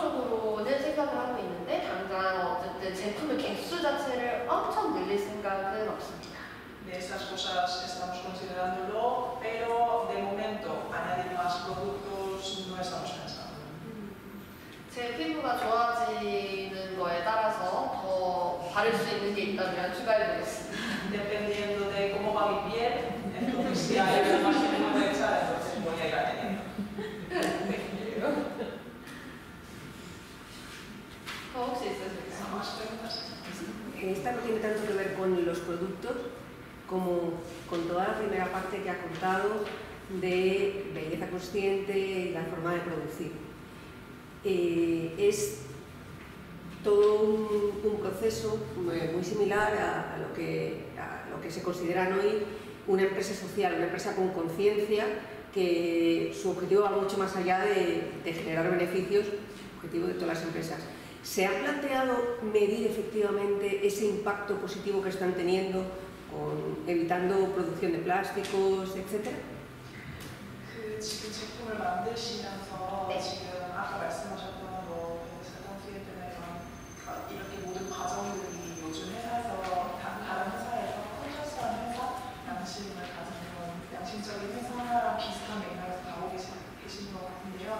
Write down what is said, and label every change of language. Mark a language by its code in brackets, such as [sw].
[ko] 쪽으로는 생각을 하고 있는데 당장 어쨌든 제품의 개수 자체를 엄청 늘릴 생각은 없습니다. [es] De esas cosas estamos considerándolo, pero de momento añadir más productos no estamos pensando. [ko] 제 피부가 좋아지는 거에 따라서 더 바를 수 있는 게 있다면 추가해보겠습니다. [es] Dependiendo de cómo va mi piel, entonces si hay algo más que puedo echar, entonces voy a ir añadiendo. [ko] 더 혹시 있으실까요? [es] Esta no tiene tanto que ver con los productos, como con toda la primera parte que ha contado de belleza consciente y la forma de producir. Es todo un proceso muy similar a lo que se consideran hoy una empresa social, una empresa con conciencia, que su objetivo va mucho más allá de generar beneficios, objetivo de todas las empresas. ¿Se ha planteado medir efectivamente ese impacto positivo que están teniendo evitando producción de plásticos, etcétera? [ko] 지금 제품을 만드시면서 지금 아까 말씀하셨던 거 사건지에 이렇게 모든 과정들이 요즘 회사에서 다른 회사에서 컨설턴트 회사 양심적인 회사랑 비슷한 맥락에서 나오고 계신 것 같은데요.